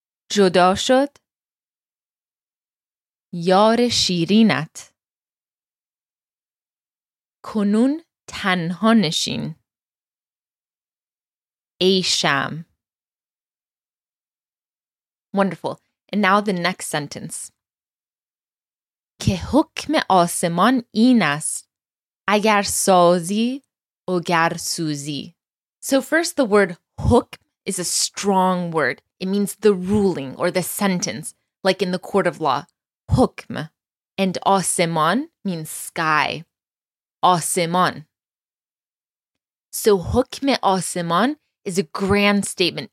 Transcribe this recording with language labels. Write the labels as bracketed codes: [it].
[fa] جدا شد یار شیرینت، کنون تنها نشین ای شمع. [en] Wonderful. And now the next sentence. [fa] که حکم آسمان این است، اگر سازی و گر سوزی. [en] So first, the word حکم is a strong word. It means the ruling or the sentence, like in the court of law. [fa] حکم. [en] And آسمان means sky. [fa] آسمان. [en] So [fa] حکم آسمان [en] is a grand statement.